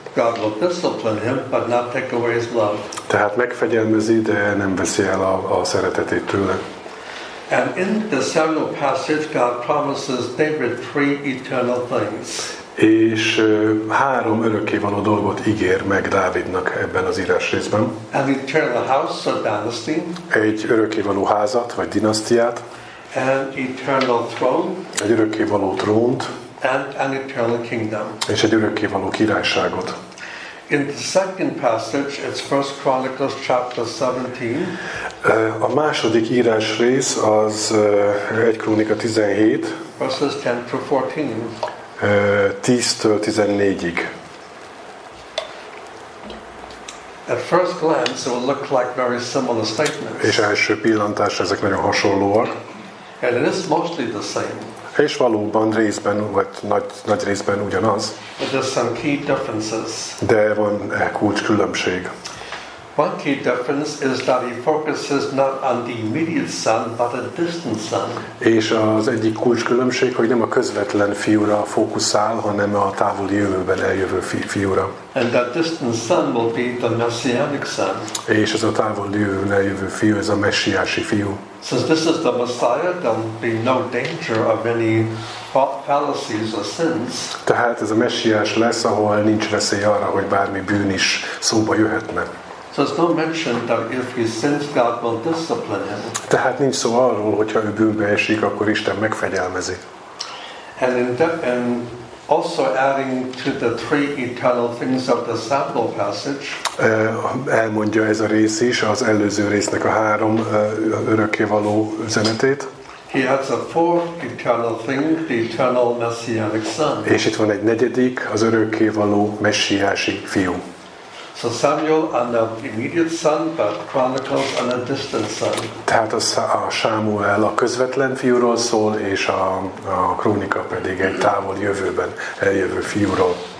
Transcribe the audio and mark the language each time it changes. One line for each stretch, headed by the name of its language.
English: God will discipline him, but not take away his love.
Hungarian: Tehát megfegyelmezi, de nem veszi el a szeretetét tőle.
English: And in the Samuel passage, God promises David three eternal things.
Hungarian: És három örökkévaló dolgot ígér meg Dávidnak ebben az írás részben.
English: An eternal house or dynasty.
Hungarian: Egy örökkévaló házat vagy dinasztiát.
English: An eternal throne.
Hungarian: Egy örökkévaló trónt.
English: And an eternal kingdom.
Hungarian: És egy örökkévaló királyságot.
English: In the second passage, it's 1 Chronicles chapter 17.
Hungarian: A második írás rész az 1 Krónika 17.
English: Verses 10 through 14.
Hungarian: 10-től 14-ig.
English: At first glance, it will look like very similar statements.
Hungarian: És első pillantás, ezek nagyon hasonlóak.
English: And it is mostly the same.
Hungarian: És valóban részben, vagy nagy részben ugyanaz.
English: But there's some key differences.
Hungarian: De van kulcs különbség.
English: One key difference is that he focuses not on the immediate son, but a distant son.
Hungarian: És az egyik kulcs különbség, hogy nem a közvetlen fiúra fókuszál, hanem a távoli jövőben eljövő fiúra.
English: And that distant son will be the messianic son.
Hungarian: És ez a távoli jövőben eljövő fiú, ez a messiási fiú.
English: Since this is the Messiah, there will be no danger of any fallacies or sins.
Hungarian: Tehát ez a messiás lesz, ahol nincs veszély arra, hogy bármi bűn is szóba jöhetne.
English: There's no mention that if he sins, God will discipline him.
Hungarian: Tehát nincs szó arról, hogyha ő bűnbe esik, akkor Isten megfegyelmezi.
English: And also adding to the three eternal things of the Samuel passage.
Hungarian: Elmondja ez a rész is az előző résznek a három örökkévaló üzenetét.
English: He adds a fourth eternal thing, the eternal messianic son.
Hungarian: És itt van egy negyedik, az örökkévaló messiási fiú.
English: So Samuel on the immediate son, but Chronicles on a distant son.
Hungarian: Tehát a Sámuel a közvetlen fiúról szól, és a Krónika pedig egy távol jövőben eljövő fiúról.